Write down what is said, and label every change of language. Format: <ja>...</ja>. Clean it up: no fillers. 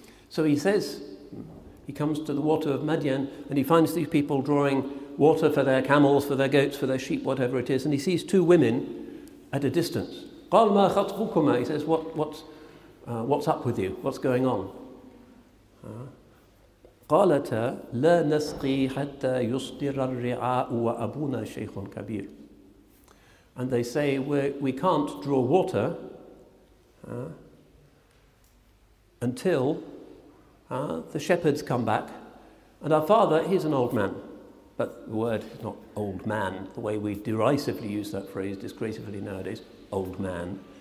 <en>So he says, he comes to the water of Madian, and he finds these people drawing water for their camels, for their goats, for their sheep, whatever it is, and he sees two women at a distance.</en> <ar>قَالْ مَا خَطْبُكُمَا.</ar> <en>He says, what's up with you? What's going on?</en> <ar>قالتا لا نسقي حتى يصدر الرعاء وأبونا شيخ كبير.</ar> <en>And they say, we can't draw water until the shepherds come back. And our father, he's an old man. But the word is not old man, the way we derisively use that phrase, disgracefully nowadays, old man.</en>